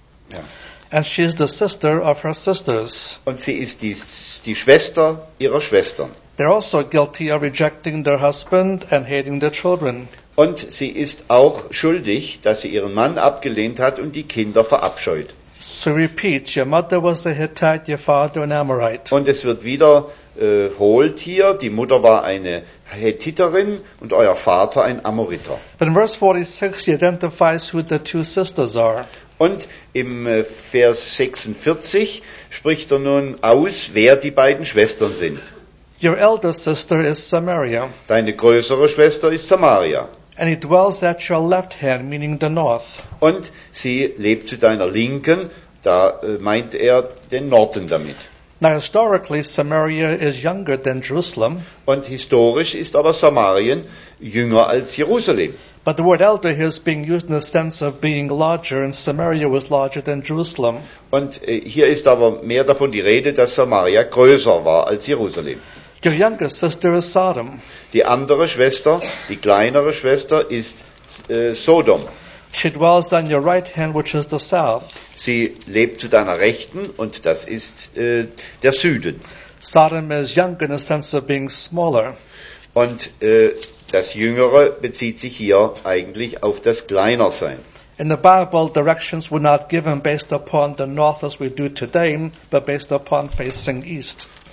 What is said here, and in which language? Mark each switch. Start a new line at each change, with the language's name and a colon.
German: Ja.
English: And she is the sister of her sisters.
German: Und sie ist die Schwester ihrer Schwestern.
English: They're also guilty of rejecting their husband and hating their children.
German: Und sie ist auch schuldig, dass sie ihren Mann abgelehnt hat und die Kinder verabscheut.
English: So repeat, your mother was a Hittite, your father an Amorite.
German: Und es wird wiederholt hier, die Mutter war eine Hethiterin und euer Vater ein Amoriter.
English: But in verse 46 he identifies who the two sisters are.
German: Und im Vers 46 spricht er nun aus, wer die beiden Schwestern sind.
English: Your elder sister is Samaria.
German: Deine größere Schwester ist Samaria.
English: And he dwells at your left hand, meaning the north.
German: Und sie lebt zu deiner Linken, da meint er den Norden damit.
English: Now historically, Samaria is younger than Jerusalem.
German: Und historisch ist aber Samarien jünger als Jerusalem.
English: But the word elder here is being used in the sense of being larger, and Samaria was larger than Jerusalem.
German: Und hier ist aber mehr davon die Rede, dass Samaria größer war als Jerusalem.
English: Your youngest sister is Sodom.
German: Die andere Schwester, die kleinere Schwester, ist Sodom.
English: She dwells on your right hand, which is the south.
German: Sie lebt zu deiner Rechten, und das ist der Süden.
English: Sodom is younger in the sense of being smaller.
German: Und das Jüngere bezieht sich hier eigentlich auf das Kleinersein.
English: In the Bible, directions were not given based upon the north as we do today, but based upon facing east.